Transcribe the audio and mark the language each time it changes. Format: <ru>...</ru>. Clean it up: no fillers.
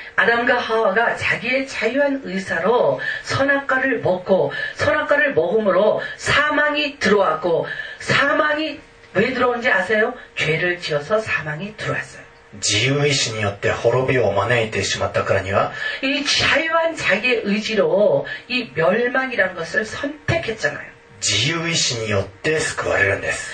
<ko>아담과하와가자기의자유한의사로선악과를먹고선악과를먹음으로사망이들어왔고사망이왜들어온지아세요죄를지어서사망이들어왔어요</ko> <ja>自由意志によって滅びを招いてしまったからには</ja> <ko>이자유한자기의의지로이멸망이라는것을선택했잖아요</ko> <ja>自由意志によって救われるんです</ja>